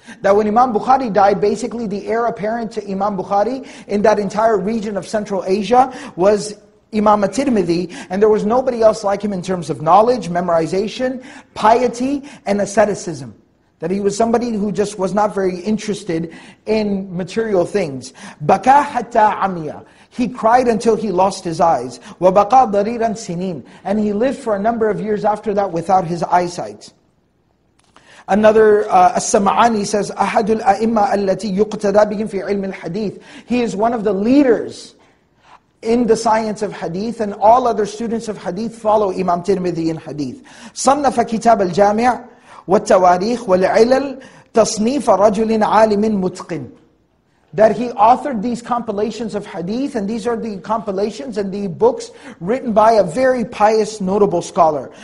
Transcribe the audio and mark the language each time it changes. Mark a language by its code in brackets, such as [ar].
[en] That when Imam Bukhari died, basically the heir apparent to Imam Bukhari in that entire region of Central Asia was Imam At-Tirmidhi, and there was nobody else like him in terms of knowledge, memorization, piety, and asceticism. That he was somebody who just was not very interested in material things. [ar] بَكَى حَتَّى عَمِيَ. [en] He cried until he lost his eyes. [ar] وَبَقَى ضَرِيرًا سِنِينَ. [en] And he lived for a number of years after that without his eyesight. [ar] Another As-Sama'ani says, أَحَدُ الْأَئِمَّةِ أَلَّتِي يُقْتَدَى بِهِمْ فِي عِلْمِ الْحَدِيثِ. [en] He is one of the leaders in the science of hadith, and all other students of hadith follow Imam Tirmidhi in hadith. [ar] صَنَّفَ كِتَابَ الْجَامِعِ وَالتَّوَارِيخِ وَالْعِلَلِ تَصْنِيفَ رَجُلٍ عَالِمٍ مُتْقِنٍ. [en] That he authored these compilations of hadith, and these are the compilations and the books written by a very pious, notable scholar.